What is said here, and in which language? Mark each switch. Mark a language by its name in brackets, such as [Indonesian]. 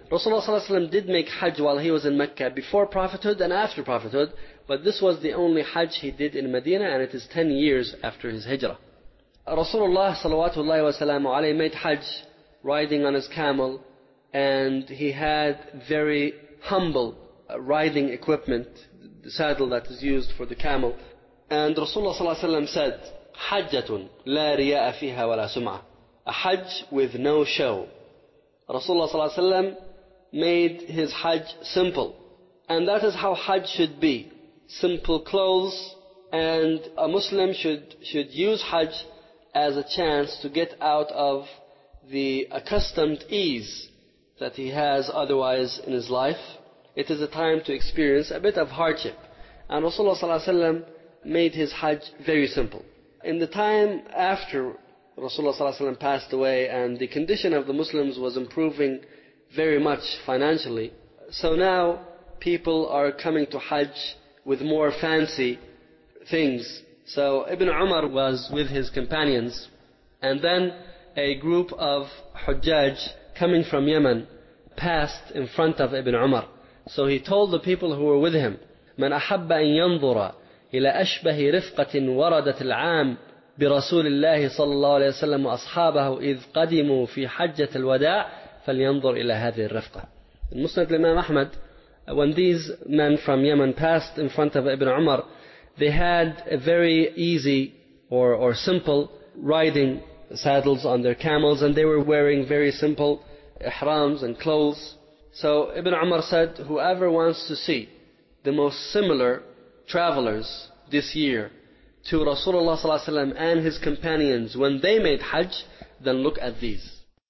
[English] Rasulullah ﷺ did make Hajj while he was in Mecca before prophethood and after prophethood, but this was the only Hajj he did in Medina, and it is 10 years after his Hijrah. Rasulullah ﷺ made Hajj riding on his camel, and he had very humble riding equipment, the saddle that is used for the camel. And Rasulullah ﷺ said, [Arabic] حَجَّةٌ لَا رِيَاءَ فِيهَا وَلَا سُمْعَةٌ. [English] A Hajj with no show. Rasulullah ﷺ made his Hajj simple. And that is how Hajj should be. Simple clothes, and a Muslim should use Hajj as a chance to get out of the accustomed ease that he has otherwise in his life. It is a time to experience a bit of hardship. And Rasulullah ﷺ made his Hajj very simple. In the time after Rasulullah ﷺ passed away and the condition of the Muslims was improving very much financially, so now people are coming to Hajj with more fancy things. So Ibn Umar was with his companions, and then a group of Hujjaj coming from Yemen passed in front of Ibn Umar. So he told the people who were with him, [Arabic] من أحب أن ينظر إلى أشبه رفقة وردت العام برسول الله صلى الله عليه وسلم وأصحابه إذ قدموا في حجة الوداع فلينظر إلى هذه الرفقة. [English] In Musnad Imam Ahmad, when these men from Yemen passed in front of Ibn Umar, they had a very easy or simple riding saddles on their camels, and they were wearing very simple ihrams and clothes. So Ibn Umar said, whoever wants to see the most similar travelers this year to Rasulullah ﷺ and his companions when they made Hajj, then look at these.